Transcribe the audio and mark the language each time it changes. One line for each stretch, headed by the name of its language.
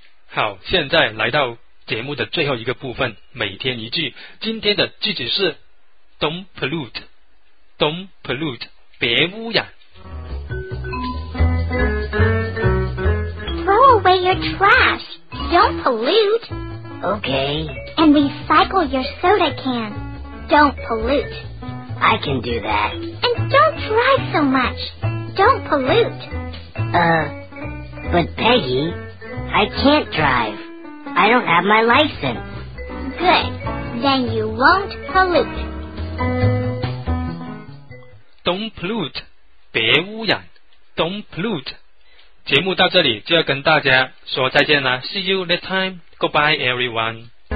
Chinese: 好，现在来到节目的最后一个部分，每天一句。今天的句子是
English: Don't pollute, don't pollute,
Chinese: 别污染。
English: Throw away your trash, don't pollute. Okay. And recycle your soda can, don't pollute. I can do that. And don't drive so much. Don't pollute. But Peggy, I can't drive. I don't have my license. Good. Then you won't pollute. Don't pollute.
Chinese: 别污染
English: Don't pollute.
Chinese: 节目到这里就要跟大家说再见了。
English: See you next time. Goodbye, everyone.